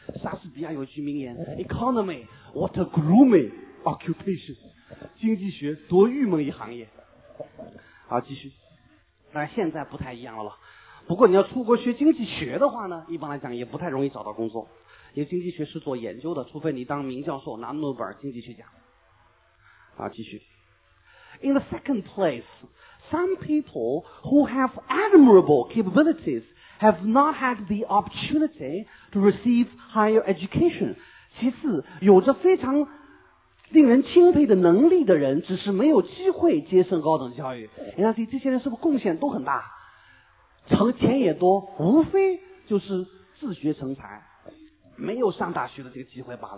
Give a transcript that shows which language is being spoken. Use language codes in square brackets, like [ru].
[zh] 莎士比亚有一句名言 [en] Economy what a gloomy occupation， [zh] 经济学多郁闷一行业。好，继续。当然现在不太一样了，不过你要出国学经济学的话呢，一般来讲也不太容易找到工作，因为经济学是做研究的，除非你当名教授拿诺贝尔经济学奖。好，继续。 [en] In the second place, some people who have admirable capabilities have not had the opportunity to receive higher education. [zh] 其次，有着非常令人钦佩的能力的人只是没有机会接受高等教育。你看这些人是不是贡献都很大，成钱也多，无非就是自学成才，没有上大学的这个机会吧。